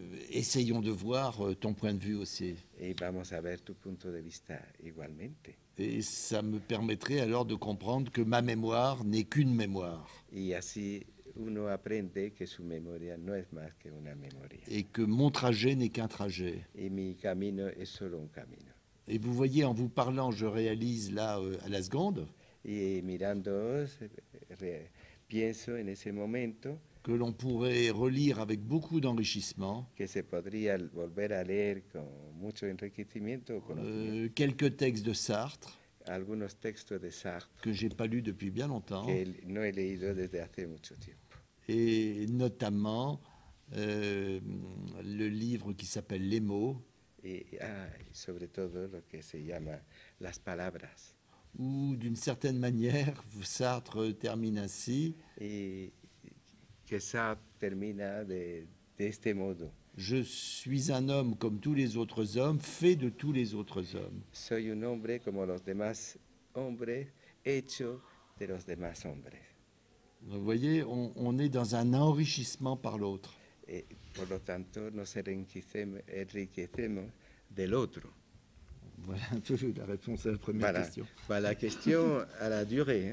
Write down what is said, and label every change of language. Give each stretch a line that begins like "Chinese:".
French: Essayons de voir ton point de vue aussi.
Spanish: Y vamos a ver tu punto de vista igualmente.
French: Et ça me permettrait alors de comprendre que ma mémoire n'est qu'une mémoire.
Spanish: Y así uno aprende que su memoria no es más que una memoria.
French: Et que mon trajet n'est qu'un trajet.
Spanish: Y mi camino es solo un camino.
French: Et vous voyez, en vous parlant, je réalise là, à la seconde,
Spanish: y mirándoos, pienso en ese momento,
French: que l'on pourrait relire avec beaucoup d'enrichissement,
Spanish: que se podría volver a leer con mucho enriquecimiento,
French: quelques textes de Sartre,
Spanish: algunos textos de Sartre,
French: que j'ai pas lu depuis bien longtemps,
Spanish: que no he leído desde hace mucho tiempo,
French: et notamment le livre qui s'appelle Les mots.
Spanish: Y sobre todo lo que se llama las palabras.
French: Ou d'une certaine manière, Sartre termine ainsi.
Spanish: Et que Sartre termine de este modo.
French: Je suis un homme comme tous les autres hommes, fait de tous les autres hommes.
Spanish: Soy un hombre como los demás hombres, hecho de los demás hombres.
French: Vous voyez, on est dans un enrichissement par l'autre.
Spanish: Et por lo tanto, nos enriquecemos del otro.
French: Voilà un peu la réponse à la première voilà, question. Voilà la question à la durée.